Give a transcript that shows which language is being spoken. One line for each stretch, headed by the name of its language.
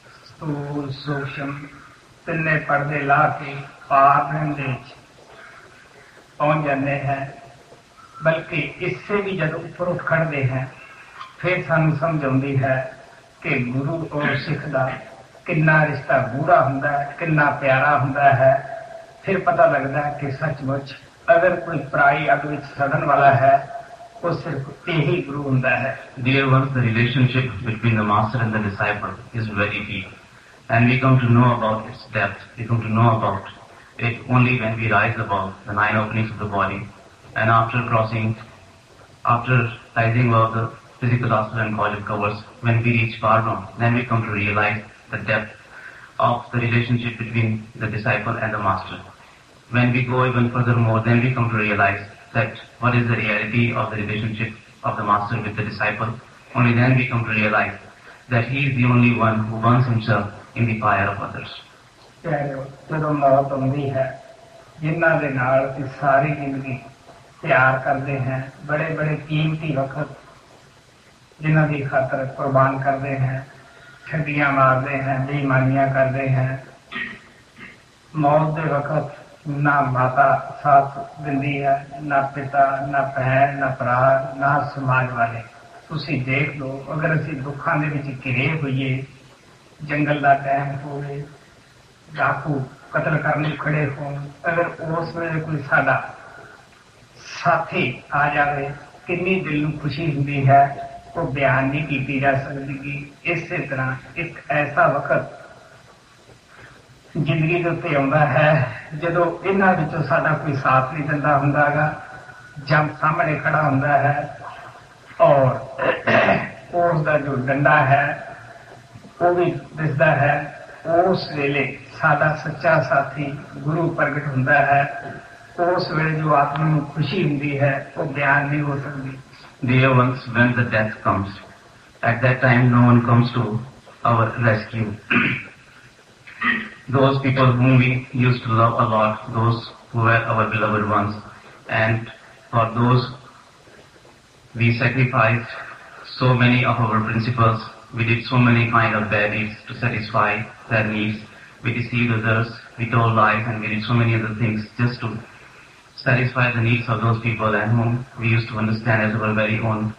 Punjabi: stool, sooksham, ਤਿੰਨੇ ਪਰਦੇ ਲਾ ਕੇ ਪਾਰ ਦੇ ਵਿੱਚ ਪਹੁੰਚ ਜਾਂਦੇ ਹੈ ਬਲਕਿ ਇਸੇ ਵੀ ਜਦੋਂ ਉੱਪਰ ਉੱਠ ਖੜਦੇ ਹੈ ਫਿਰ ਸਾਨੂੰ ਸਮਝ ਆਉਂਦੀ ਹੈ ਕਿ ਗੁਰੂ ਔਰ ਸਿੱਖ ਦਾ ਕਿੰਨਾ ਰਿਸ਼ਤਾ ਗੂੜਾ ਹੁੰਦਾ ਹੈ ਕਿੰਨਾ ਪਿਆਰਾ ਹੁੰਦਾ ਹੈ ਫਿਰ ਪਤਾ ਲੱਗਦਾ ਕਿ ਸੱਚਮੁੱਚ ਅਗਰ ਕੋਈ ਪਰਾਈ ਅੱਗ ਵਿੱਚ ਸੜਨ ਵਾਲਾ ਹੈ ਉਹ ਸਿਰਫ ਇਹੀ ਗੁਰੂ ਹੁੰਦਾ ਹੈ
English: Dear ones the relationship between the master and the disciple is very deep And we come to know about its depth, we come to know about it only when we rise above the nine openings of the body. And after crossing, after rising above the physical astral and kaujal covers, when we reach far from, then we come to realize the depth of the relationship between the disciple and the master. when we go even furthermore, then we come to realize that what is the reality of the relationship of the master with the disciple. Only then we come to realize that he is the only one who burns himself in the fire of others.
Punjabi: ਜਿਨ੍ਹਾਂ ਦੀ ਖਾਤਰ ਕੁਰਬਾਨ ਕਰਦੇ ਹੈ, ਠੱਡੀਆਂ ਮਾਰਦੇ ਹੈ, ਬੇਈਮਾਨੀਆਂ ਕਰਦੇ ਹੈ, ਮੌਤ ਦੇ ਵਕਤ ਨਾ ਮਾਤਾ ਸਾਥ ਦਿੰਦੀ ਹੈ, ਨਾ ਪਿਤਾ, ਨਾ ਭੈਣ, ਨਾ ਭਰਾ, ਨਾ ਸਮਾਜ ਵਾਲੇ। ਤੁਸੀਂ ਦੇਖ ਲਓ, ਅਗਰ ਅਸੀਂ ਦੁੱਖਾਂ ਦੇ ਵਿੱਚ ਘਿਰੇ ਹੋਈਏ, ਜੰਗਲ ਦਾ ਟਾਈਮ ਹੋਵੇ, ਡਾਕੂ ਕਤਲ ਕਰਨ ਲਈ ਖੜੇ ਹੋਣ, ਅਗਰ ਉਸ ਵੇਲੇ ਕੋਈ ਸਾਡਾ ਸਾਥੀ ਆ ਜਾਵੇ, ਕਿੰਨੀ ਦਿਲ ਨੂੰ ਖੁਸ਼ੀ ਹੁੰਦੀ ਹੈ, ਉਹ ਬਿਆਨ ਨਹੀਂ ਕੀਤੀ ਜਾ ਸਕਦੀ। ਇਸੇ ਤਰ੍ਹਾਂ ਇੱਕ ਐਸਾ ਵਕਤ ਜ਼ਿੰਦਗੀ ਦੇ ਉੱਤੇ ਆਉਂਦਾ ਹੈ ਜਦੋਂ ਇਹਨਾਂ ਵਿੱਚੋਂ ਸਾਡਾ ਕੋਈ ਸਾਥ ਨਹੀਂ ਦਿੰਦਾ ਹੁੰਦਾ ਗਾ, ਜਾਂ ਸਾਹਮਣੇ ਖੜਾ ਹੁੰਦਾ ਹੈ, ਔਰ ਉਸਦਾ ਜੋ ਡੰਡਾ ਹੈ ਉਹ ਵੀ ਦਿਸਦਾ ਹੈ। ਉਸ ਵੇਲੇ ਸਾਡਾ ਸੱਚਾ ਸਾਥੀ ਗੁਰੂ ਪ੍ਰਗਟ ਹੁੰਦਾ ਹੈ। ਉਸ ਵੇਲੇ ਜੋ ਆਤਮਾ ਨੂੰ ਖੁਸ਼ੀ ਹੁੰਦੀ ਹੈ ਉਹ ਬਿਆਨ ਨਹੀਂ ਹੋ ਸਕਦੀ।
English: Dear ones, when the death comes, at that time no one comes to our rescue. Those people whom we used to love a lot, those who were our beloved ones, and for those we sacrificed so many of our principles, we did so many kind of bad deeds to satisfy their needs, we deceived others, we told lies, and we did so many other things just to satisfy the needs of those people and whom we used to understand as our very own.